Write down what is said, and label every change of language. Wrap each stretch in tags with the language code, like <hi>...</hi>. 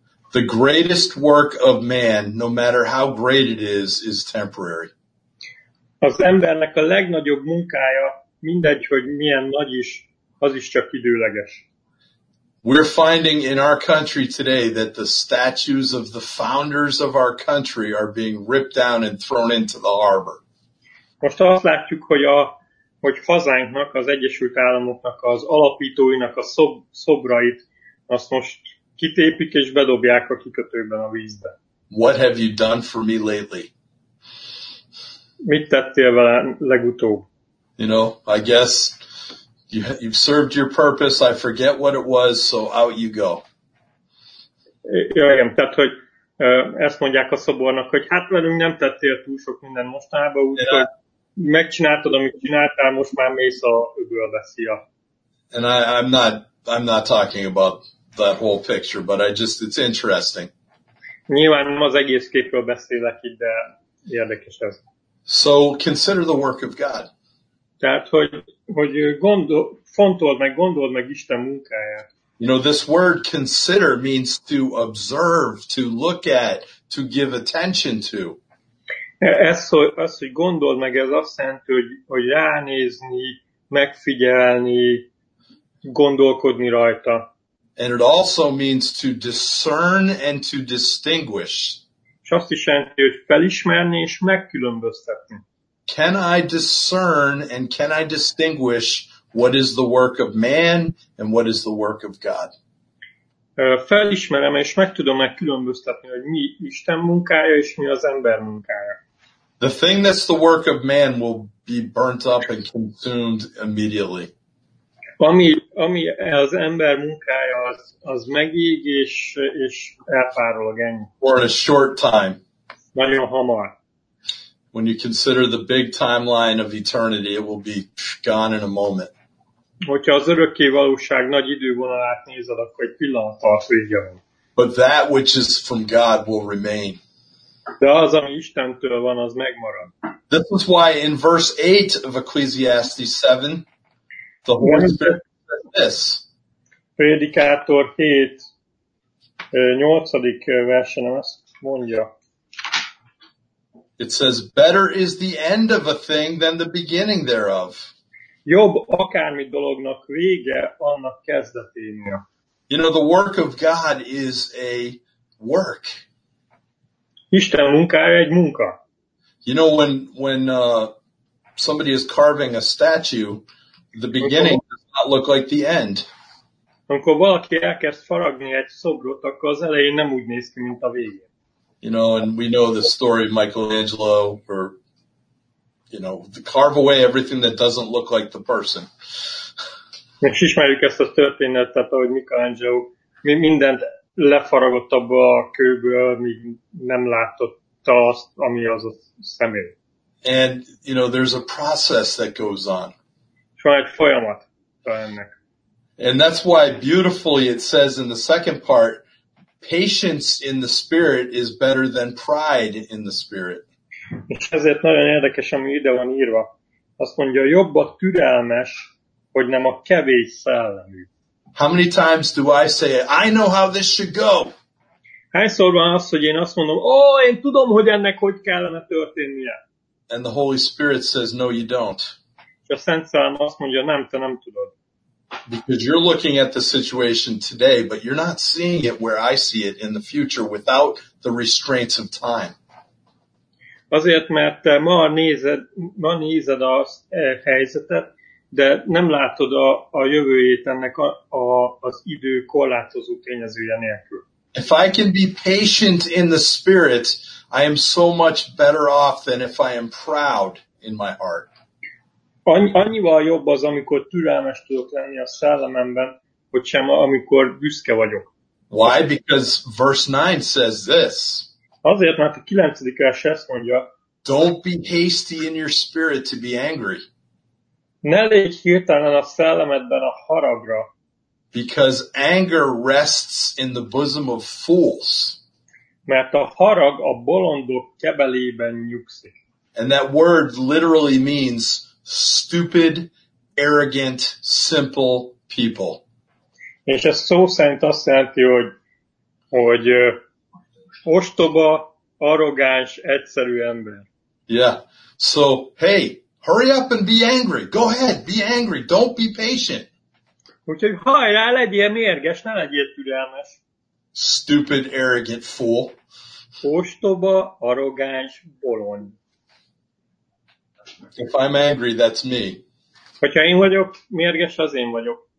<en>The greatest work of man, no matter how great it is temporary.</en> <hu>Az embernek a legnagyobb munkája, mindegy, hogy milyen nagy is, az is csak időleges.</hu> <en>We're finding in our country today that the statues of the founders of our country are being ripped down and thrown into the harbor.</en> <hu>Most azt látjuk, hogy hazánknak, az Egyesült Államoknak, az alapítóinak a szobrait, azt most kitépik és bedobják a kikötőben a vízbe.</hu> <en>What have you done for me lately?</en> <hu>Mit tettél vele legutóbb?</hu> <en>You know, I guess you've served your purpose. I forget what it was, so out you go.</en> <hu>Ja, igen, tehát, hogy ezt mondják a szobornak, hogy hát velünk nem tettél túl sok minden mostanában, úgyhogy megcsináltad, amit csináltál, most már mész a öbölbe, szia.</hu> <en>And I'm not talking about that whole picture, but it's interesting.</en> <hu>Nyilván nem az egész képről beszélek itt, de érdekes ez.</hu> <en>So consider the work of God.</en> <hu>Tehát, hogy fontold meg Isten munkáját.</hu> <en>You know, this word consider means to observe, to look at, to give attention to.</en> <hu>Ez, hogy gondold meg, ez azt jelenti, hogy ránézni, megfigyelni, gondolkodni rajta.</hu> <en>And it also means to discern and to distinguish.</en> <hu>És azt is jelenti, hogy felismerni és megkülönböztetni.</hu> <en>Can I discern and can I distinguish what is the work of man and what is the work of God?</en> <hu>Felismerem és meg tudom megkülönböztetni, hogy mi Isten munkája és mi az ember munkája.</hu> <en>The thing that's the work of man will be burnt up and consumed immediately.</en> <hu>Ami az ember munkája, az megég és elpárolog ennyi.</hu> <en>For a short time.</en> <hu>Nagyon hamar.</hu> <en>When you consider the big timeline of eternity, it will be gone in a moment.</en> <hu>Hogyha az örökké valóság nagy idővonalát nézed, akkor egy pillanat tart, igen.</hu> <en>But that which is from God will remain.</en> <hu>De az, ami Istentől van, az megmarad.</hu> <en>This is why in verse 8 of Ecclesiastes 7, the Holy Spirit says this.</en> <hu>Prédikátor 7, 8. versen azt mondja.</hu> <en>It says, better is the end of a thing than the beginning thereof.</en> <hu>Jobb akármi dolognak vége, annak kezdeténél.</hu> <en>You know, the work of God is a work.</en> <hu>Isten munkája egy munka.</hu> <en>You know, when somebody is carving a statue, the beginning does not look like the end.</en> <hu>Amikor valaki elkezd faragni egy szobrot, akkor az elején nem úgy néz ki, mint a végén.</hu> <en>You know, and we know the story of Michelangelo, or, you know, the carve away everything that doesn't look like the person.</en> <hu>És ismerjük ezt a történetet, ahogy Michelangelo mindent lefaragott abba a kőből, míg nem látotta azt, ami az a személy.</hu> <en>And, you know, there's a process that goes on.</en> <hu>És van egy folyamat ennek.</hu> <en>And that's why beautifully it says in the second part, patience in the spirit is better than pride in the spirit.</en> <hu>És ezért nagyon érdekes, ami ide van írva. Azt mondja, jobb a türelmes, hogy nem a kevés szellemű.</hu> <en>How many times do I say, I know how this should go?</en> <hu>Hányszor van az, hogy én azt mondom, ó, én tudom, hogy ennek hogy kellene történnie.</hu> <en>And the Holy Spirit says, no, you don't.</en> <hu>És a Szent Szellem azt mondja, nem, te nem tudod.</hu> <en>Because you're looking at the situation today, but you're not seeing it where I see it in the future without the restraints of time.</en> <hu>Azért, mert ma nézed az helyzetet, de nem látod a jövőjét ennek az idő korlátozó tényezője nélkül.</hu> <en>If I can be patient in the spirit, I am so much better off than if I am proud in my heart.</en> <hu>Annyival jobb az, amikor türelmes tudok lenni a szellememben, hogy sem amikor büszke vagyok.</hu> <en>Why? Because verse 9 says this.</en> <hu>Azért, mert a 9. vers ezt mondja.</hu> <en>Don't be hasty in your spirit to be angry.</en> <hu>Ne légy hirtelen a szellemedben a haragra.</hu> <en>Because anger rests in the bosom of fools.</en> <hu>Mert a harag a bolondok kebelében nyugszik.</hu> <en>And that word literally means stupid, arrogant, simple people.</en> <hu>És ez szó szerint azt jelenti, hogy ostoba, arrogáns, egyszerű ember.</hu> <en>Yeah. So, hey, hurry up and be angry. Go ahead, be angry. Don't be patient.</en> <hu>Úgyhogy hajrá, legyél mérges, ne legyél türelmes.</hu> <en>Stupid, arrogant fool.</en> <hu>Ostoba, arrogáns, bolond.</hu> <en>If I'm angry, that's me.</en> <hu>Hogyha én vagyok, mérges, az én vagyok.</hu>